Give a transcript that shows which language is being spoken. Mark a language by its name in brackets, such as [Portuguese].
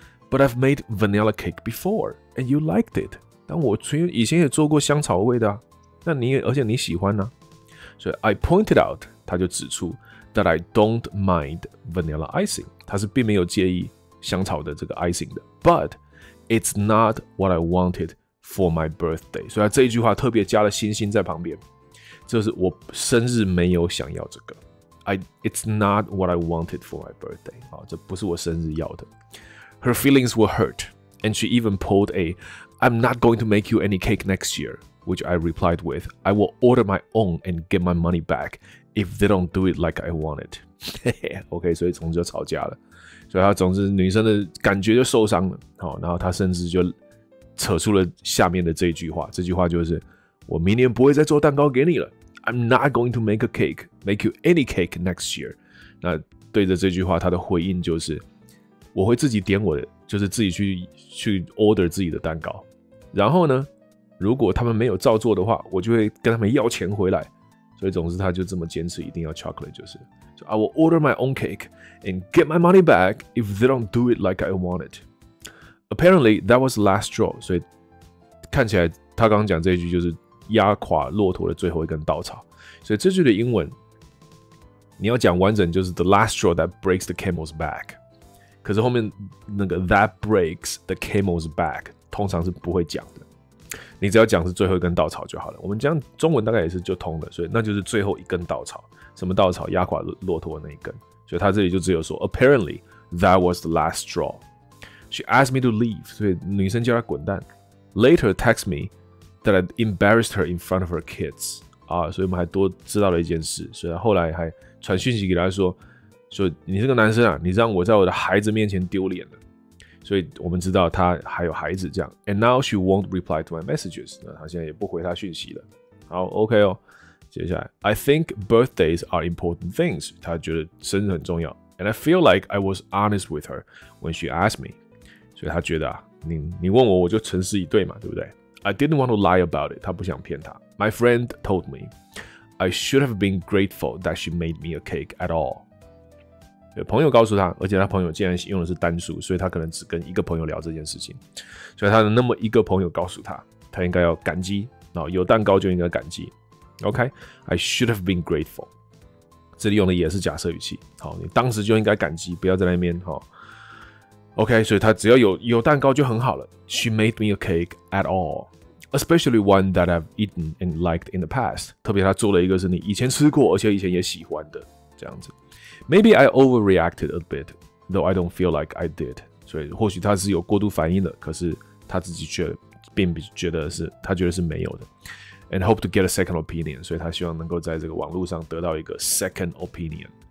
[English] But I've made vanilla cake before, and you liked it. [Chinese] 但我以前也做过香草味的啊。那你也而且你喜欢呢、啊。所以 [English] I pointed out, [Chinese] 她就指出 [English] that I don't mind vanilla icing. [Chinese] 她是并没有介意香草的这个 icing 的。 [English] But it's not what I wanted for my birthday. [Chinese] 所以这一句话特别加了星星在旁边。就是我生日没有想要这个。 [English] It's not what I wanted for my birthday. [Chinese] 好，这不是我生日要的。 [English] Her feelings were hurt, and she even pulled a I'm not going to make you any cake next year, which I replied with I will order my own and get my money back if they don't do it like I want it. [Chinese] OK, 所以总之就吵架了。所以她总之女生的感觉就受伤了。好，然后她甚至就扯出了下面的这句话。这句话就是我明年不会再做蛋糕给你了。 [English] I'm not going to make a cake, make you any cake next year. [Chinese] 那对着这句话，他的回应就是，我会自己点我的，就是自己去 order 自己的蛋糕。然后呢，如果他们没有照做的话，我就会跟他们要钱回来。所以总之，他就这么坚持一定要 [English] chocolate， 就是 So I will order my own cake and get my money back if they don't do it like I want it. Apparently, that was the last straw. [Chinese] 所以看起来他刚刚讲这一句就是。压垮骆驼的最后一根稻草，所以这句的英文你要讲完整就是 [English] the last straw that breaks the camel's back， [Chinese] 可是后面那个 [English] that breaks the camel's back [Chinese] 通常是不会讲的，你只要讲是最后一根稻草就好了。我们讲中文大概也是就通的，所以那就是最后一根稻草，什么稻草？压垮骆驼的那一根。所以他这里就只有说 [English] apparently that was the last straw， she asked me to leave， [Chinese] 所以女生叫她滚蛋。 [English] Later text meThat I embarrassed her in front of her kids. [Chinese] 啊，所以我们还多知道了一件事。所以后来还传讯息给他说：“说你这个男生啊，你让我在我的孩子面前丢脸了。” 所以我们知道他还有孩子这样。 [English] And now she won't reply to my messages. [Chinese] 那他现在也不回他讯息了。 [English] 好 ，OK 哦。 [Chinese] 接下来 [English] ，I think birthdays are important things. [Chinese] 他觉得生日很重要。 [English] And I feel like I was honest with her when she asked me. [Chinese] 所以他觉得啊，你问我，我就诚实以对嘛，对不对？ [English] I didn't want to lie about it. [Chinese] 他不想骗他。 [English] My friend told me I should have been grateful that she made me a cake at all. [Chinese] 朋友告诉他，而且他朋友竟然用的是单数，所以他可能只跟一个朋友聊这件事情。所以他的那么一个朋友告诉他，他应该要感激，有蛋糕就应该感激。 [English] OK, I should have been grateful. [Chinese] 这里用的也是假设语气。好，你当时就应该感激，不要在那边。 OK, 所以他只要有蛋糕就很好了。 [English] She made me a cake at all, especially one that I've eaten and liked in the past. [Chinese] 特别他做了一个是你以前吃过，而且以前也喜欢的这样子。 [English] Maybe I overreacted a bit, though I don't feel like I did. [Chinese] 所以或许他是有过度反应的，可是他自己却并不觉得是，他觉得是没有的。 [English] And hope to get a second opinion. [Chinese] 所以他希望能够在这个网络上得到一个 second opinion.